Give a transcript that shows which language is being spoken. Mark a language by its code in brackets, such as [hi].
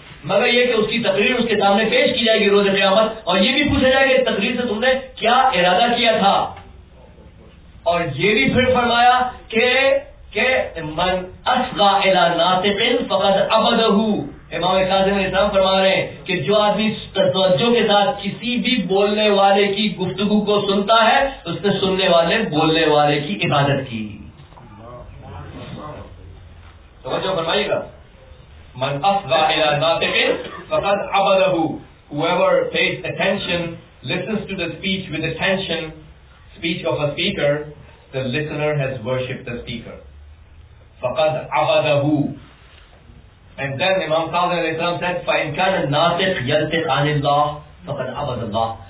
[ur] مگر یہ کہ اس کی تقریر اس کے سامنے پیش کی جائے گی روز قیامت, اور یہ بھی پوچھا جائے گا تقریر سے تم نے کیا ارادہ کیا تھا, اور یہ بھی پھر فرمایا کہ [ar] من اسغى الى ناطق فقد عبده. [ur] امام کاظم علیہ السلام فرما رہے ہیں کہ جو آدمی توجہ کے ساتھ کسی بھی بولنے والے کی گفتگو کو سنتا ہے, اس نے سننے والے بولنے والے کی عبادت کی. توجہ فرمائیے گا, [ar] من أصغى إلى ناطق فقد عبده. [en] Whoever pays attention, listens to the speech with attention, speech of a speaker, the listener has worshipped the speaker. [ar] فقد عبده. [en] And then Imam Qadir alayhi salam said, [ar] فإن كان الناطق يلتق عن الله فقد عبد الله.